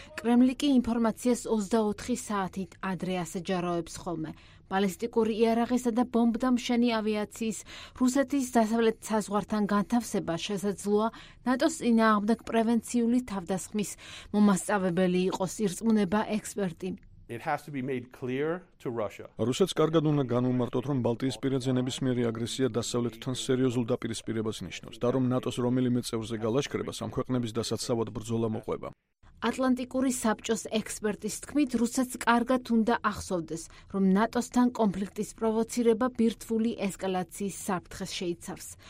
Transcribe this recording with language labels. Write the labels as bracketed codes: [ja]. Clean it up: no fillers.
[ka] კრემლი კი ინფორმაციას 24 საათით ადრე ასაჯაროებს ხოლმე. ბალისტიკური იარაღისა და ბომბდამშენი ავიაციის რუსეთის დასავლეთ საზღვართან განთავსება შესაძლოა ნატოს წინააღმდეგ პრევენციული თავდასხმის მომასწავებელი იყოს, ირწმუნება ექსპერტი. [en] It has to be made clear to Russia. [ka] რუსეთს კარგად უნდა განუმარტოთ, რომ ბალტიისპირეთზე ნებისმიერი აგრესია დასავლეთთან სერიოზულ დაპირისპირებას ნიშნავს და რომ ნატოს რომელიმე წევრზე გალაშქრება სამ ქვეყნების დასაცავად ბრძოლა მოყვება. ატლანტიკური საბჭოს ექსპერტის თქმით, რუსეთს კარგად უნდა ახსოვდეს, რომ ნატოსთან კონფლიქტის პროვოცირება ბირთვული ესკალაციის საფრთხეს შეიცავს.